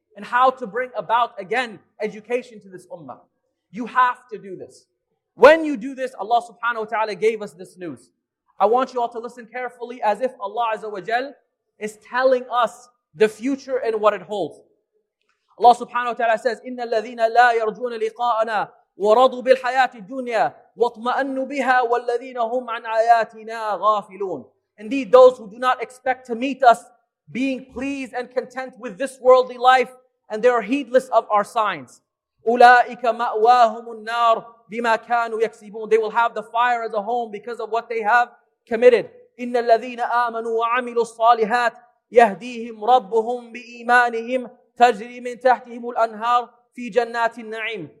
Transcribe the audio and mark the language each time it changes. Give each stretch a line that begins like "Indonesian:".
English: And how to bring about, again, education to this ummah. You have to do this. When you do this, Allah subhanahu wa ta'ala gave us this news. I want you all to listen carefully as if Allah Azza wa Jal is telling us the future and what it holds. Allah subhanahu wa ta'ala says,
Arabic: إِنَّ الَّذِينَ لَا يَرْجُونَ لِقَاءَنَا وَرَضُوا بِالْحَيَاةِ الدُّنْيَا وَاطْمَأَنُّوا بِهَا وَالَّذِينَ هُمْ عَنْ عَيَاتِنَا غَافِلُونَ.
English: Indeed, those who do not expect to meet us being pleased and content with this worldly life and they are heedless of our signs.
Arabic: أُولَٰئِكَ مَأْوَاهُمُ النَّارُ بِمَا كَانُوا يَكْسِبُونَ.
English: They will have the fire as a home because of what they have committed.
Arabic: إِنَّ الَّذِينَ آمَنُوا وَعَمِلُوا الصَّالِحَاتِ يَهْدِيهِمْ رَبُّهُمْ بِإِيمَانِهِمْ تَجْرِي مِنْ تَحْتِهِمُ الْأَنْهَارُ فِي جَنَّاتِ النَّعِيمِ.